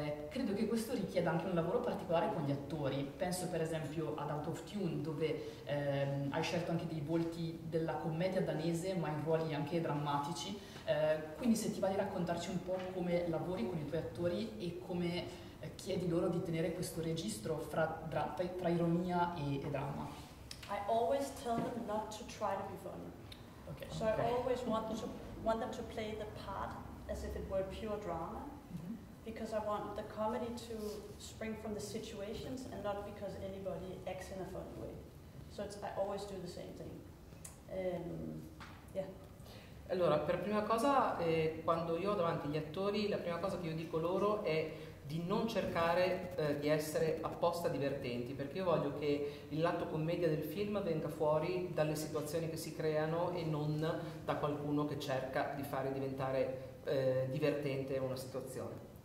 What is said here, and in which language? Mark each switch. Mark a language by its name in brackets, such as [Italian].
[Italian] Credo che questo richieda anche un lavoro particolare con gli attori. Penso per esempio ad Out of Tune, dove hai scelto anche dei volti della commedia danese, ma in ruoli anche drammatici. Quindi se ti va di raccontarci un po' come lavori con i tuoi attori e come chiedi loro di tenere questo registro tra ironia e dramma. [English] I always tell them not to try to be funny. Okay. So okay. I always want them to play the part as if it were pure drama, mm-hmm. because I want the comedy to spring from the situations and not because anybody acts in a funny way. So it's, I always do the same thing. [Italian] Allora, per prima cosa, quando io ho davanti gli attori, la prima cosa che io dico loro è di non cercare di essere apposta divertenti, perché io voglio che il lato commedia del film venga fuori dalle situazioni che si creano e non da qualcuno che cerca di fare diventare divertente una situazione.